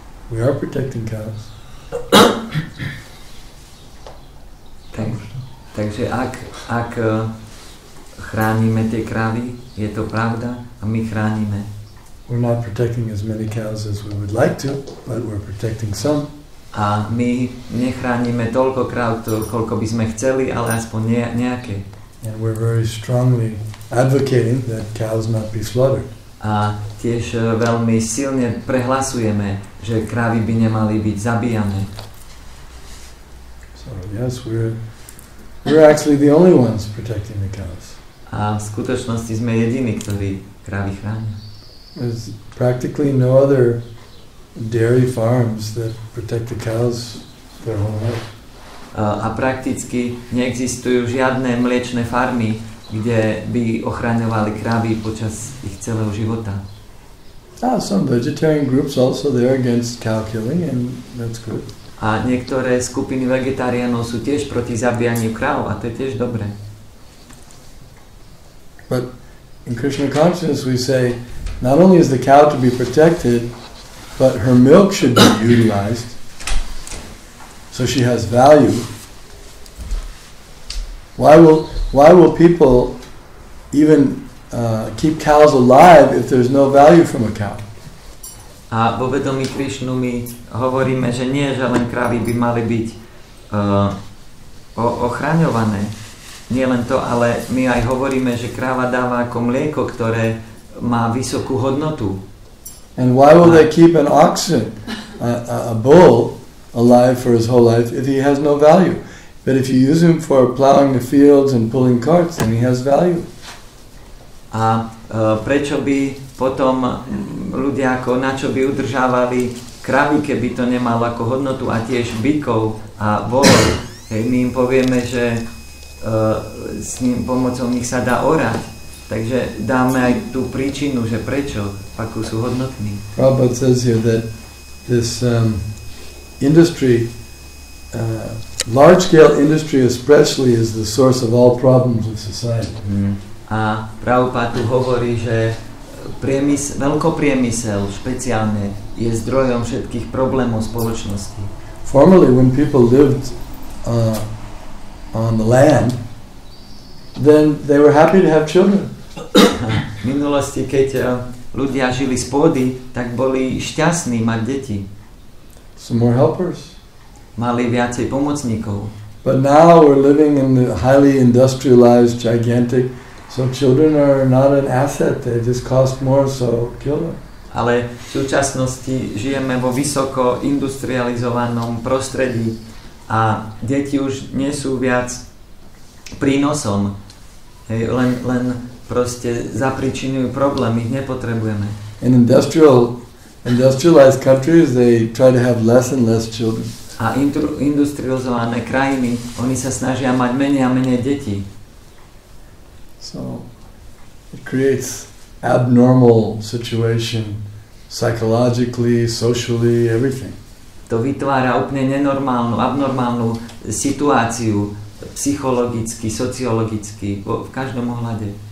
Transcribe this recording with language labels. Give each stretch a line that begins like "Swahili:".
English: We are protecting cows.
Slovak: Takže ak chránime tie krávy, je to pravda a my chránime.
English: We're not protecting as many cows as we would like to, but we're protecting some.
Slovak: A my nechránime toľko kráv, koľko by sme chceli, ale aspoň nejaké.
English: And we're very strongly advocating that cows not be slaughtered.
Slovak: A tiež veľmi silne prehlasujeme, že krávy by nemali byť zabíjane.
English: So yes, we're actually the only ones protecting the cows.
Slovak: A v skutočnosti sme jediní, ktorí krávy chránia.
English: There's practically no other dairy farms that protect the cows their whole life.
Slovak: A prakticky neexistujú žiadne mliečne farmy, kde by ochraňovali krávy počas ich celého života.
English: Ah, some vegetarian groups also there against cow killing, and that's good.
Slovak: A niektoré skupiny vegetariánov sú tiež proti zabíjaniu kráv, a to je tiež dobré.
English: But in Krishna consciousness we say, not only is the cow to be protected, but her milk should be utilized, so she has value. Why will people even keep cows alive if there's no value from a cow?
Slovak: A vo vedomí Krišnu my hovoríme, že nie, že len krávy by mali byť ochraňované. Nie len to, ale my aj hovoríme, že kráva dáva ako mlieko, ktoré má vysokú hodnotu.
English: And why will they keep an oxen, a bull, alive for his whole life if he has no value? But if you use him for plowing the fields and pulling carts, then he has value.
Slovak: A prečo by potom ľudia ako na čo by udržávali kravy, keby to nemalo ako hodnotu, a tiež bykov a volov? Hej, my im povieme, že s ním pomocou nich sa dá orať. Takže dáme aj tú príčinu, že prečo, akú sú hodnotní.
English: Prabhupada says here that this industry, large-scale industry especially, is the source of all problems in society.
Slovak: A Prabhupada tu hovorí, že veľkopriemysel špeciálne je zdrojom všetkých problémov spoločnosti.
English: Formerly, when people lived on the land, then they were happy to have children.
Slovak: V minulosti, keď ľudia žili z pôdy, tak boli šťastní mať deti.
English: Some more helpers.
Slovak: Mali viacej pomocníkov.
English: But now we're living in the highly industrialized, gigantic, so children are not an asset, they just cost more, so kill them.
Slovak: Ale v súčasnosti žijeme vo vysoko industrializovanom prostredí a deti už nie sú viac prínosom. Hej, len proste zapričinujú problémy, ich nepotrebujeme.
English: In industrialized countries, they try to have less and less children.
Slovak: A industrializované krajiny, oni sa snažia mať menej a menej detí.
English: So, it creates abnormal situation psychologically, socially, everything.
Slovak: To vytvára úplne nenormálnu, abnormálnu situáciu psychologicky, sociologicky, v každom ohľade.